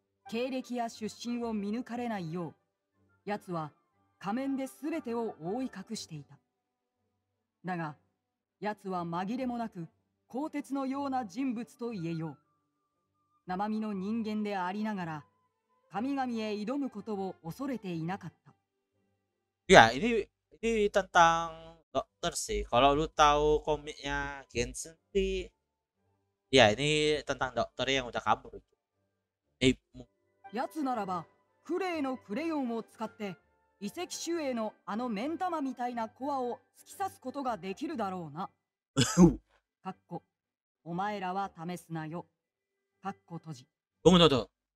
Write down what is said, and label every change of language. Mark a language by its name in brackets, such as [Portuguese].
[Japanese] 経歴や出身を見抜かれないよう、やつは仮面で全てを覆い隠していた。だが、やつは紛れもなく鋼鉄のような人物と言えよう。生身の人間でありながら、神々へ挑むことを恐れていなかった。 [Indonesian] いや、ini tentang dokter sih. Kalau lu tahu komiknya Genshin sih, ya ini tentang dokter yang udah kabur. [Japanese] やつならば、クレイのクレヨンを使って遺跡周囲のあの目ん玉みたいなコアを突き刺すことができるだろうな。かっこ、お前らは試すなよ。かっこ閉じ。ゴムノド。